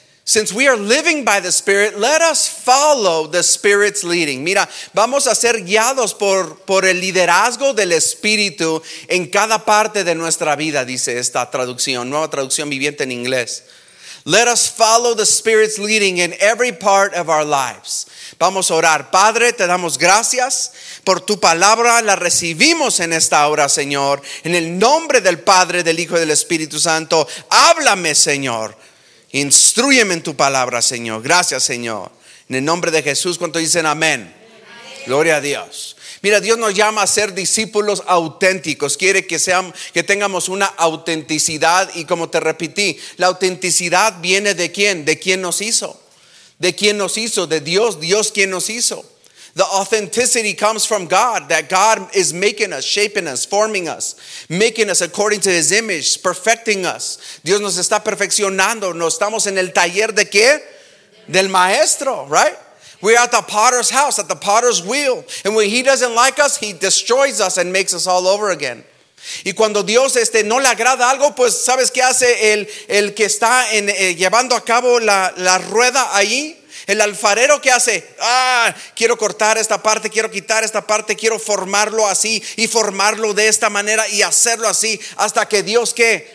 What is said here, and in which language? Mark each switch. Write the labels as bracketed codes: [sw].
[en] Since we are living by the Spirit, let us follow the Spirit's leading. [es] Mira, vamos a ser guiados por el liderazgo del Espíritu en cada parte de nuestra vida, dice esta traducción, Nueva Traducción Viviente en inglés. [en] Let us follow the Spirit's leading in every part of our lives. [es] Vamos a orar. Padre, te damos gracias por tu palabra. La recibimos en esta hora, Señor. En el nombre del Padre, del Hijo y del Espíritu Santo, háblame, Señor. Instrúyeme en tu palabra, Señor. Gracias, Señor. En el nombre de Jesús, ¿cuánto dicen amén? Amén. Gloria a Dios. Mira, Dios nos llama a ser discípulos auténticos. Quiere que tengamos una autenticidad. Y como te repetí, la autenticidad viene ¿de quién? ¿De quién nos hizo? ¿De quién nos hizo? ¿De Dios? ¿Dios quién nos hizo? [en] The authenticity comes from God, that God is making us, shaping us, forming us, making us according to His image, perfecting us. [es] Dios nos está perfeccionando. ¿No estamos en el taller de qué? Del maestro, [en] right? We're at the potter's house, at the potter's wheel. And when He doesn't like us, He destroys us and makes us all over again. [es] Y cuando Dios no le agrada algo, pues ¿sabes qué hace el que está llevando a cabo la rueda ahí? El alfarero, ¿qué hace? Ah, quiero cortar esta parte, quiero quitar esta parte, quiero formarlo así y formarlo de esta manera y hacerlo así hasta que Dios, ¿qué?